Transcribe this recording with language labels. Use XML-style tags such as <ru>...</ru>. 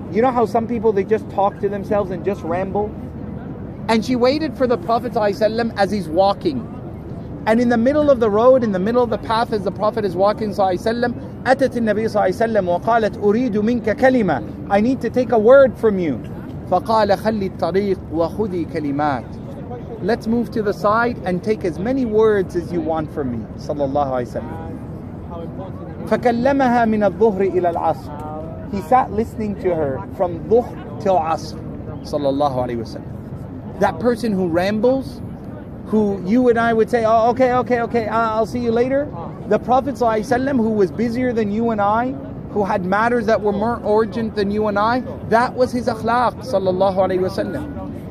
<en>You know how some people, they just talk to themselves and just ramble? And she waited for the Prophet as he's walking. And in the middle of the road, in the middle of the path, as the Prophet is walking, أتت النبي صلى الله عليه وسلم وقالت أريد منك كلمة. I need to take a word from you.</en> <ar>فقال خلي الطريق وخذي كلمات.</ar> <en>Let's move to the side and take as many words as you want from me.</en> <ar>صلى الله عليه وسلم. فكلمها من الظهر إلى العصر.</ar> <en>He sat listening to her from ظهر till عصر.</en> <ar>صلى الله عليه وسلم.</ar> <en>That person who rambles, who you and I would say, "Oh, okay, I'll see you later." The Prophet ﷺ, who was busier than you and I, who had matters that were more urgent than you and I, that was his akhlaq, sallallahu alayhi wasallam.</en>